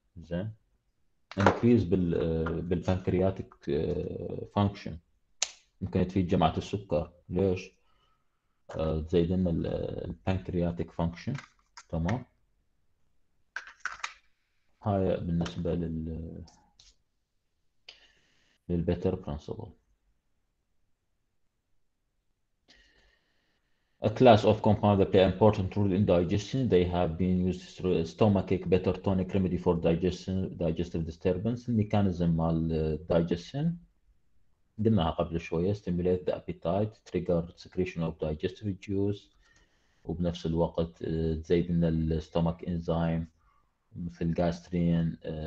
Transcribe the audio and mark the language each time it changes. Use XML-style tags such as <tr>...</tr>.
<ar>زين، انكريز بالبنكرياتيك فانكشن، ممكن تفيد جماعه السكر. ليش؟ تزيد لنا البنكرياتيك فانكشن. تمام، هاي بالنسبه للبيتر برنسبل.</ar> <en>A class of compounds that play an important role in digestion. They have been used through stomachic better tonic remedy for digestion, digestive disturbance. The mechanism of digestion.</en> <ar>قلناها قبل شوية.</ar> <en>Stimulate the appetite, trigger secretion of digestive juice.</en> <ar>وبنفس الوقت تزيد لنا الستومك انزيم مثل جاسترين.</ar>